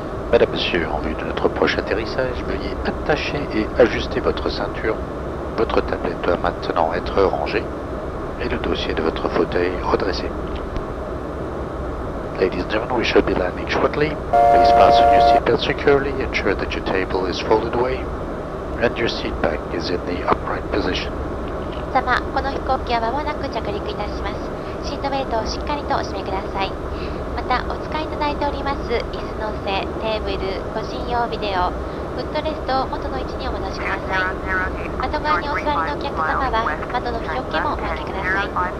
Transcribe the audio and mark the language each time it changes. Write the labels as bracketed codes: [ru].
[fr] Mesdames, Messieurs, en vue de notre prochain atterrissage, veuillez attacher et ajuster votre ceinture. Votre tablette doit maintenant être rangée et le dossier de votre fauteuil redressé. [en] Ladies and gentlemen, we should be landing shortly. Please fasten your seatbelt securely, ensure that your table is folded away, and your seat back is in the upright position. [ja] 様、この飛行機は間もなく着陸いたします。シートベルトをしっかりとお締めください。また、お使いいただいております椅子の背、テーブル、個人用ビデオ、フットレストを元の位置にお戻しください。窓側にお座りのお客様は、窓の広げもお開けください。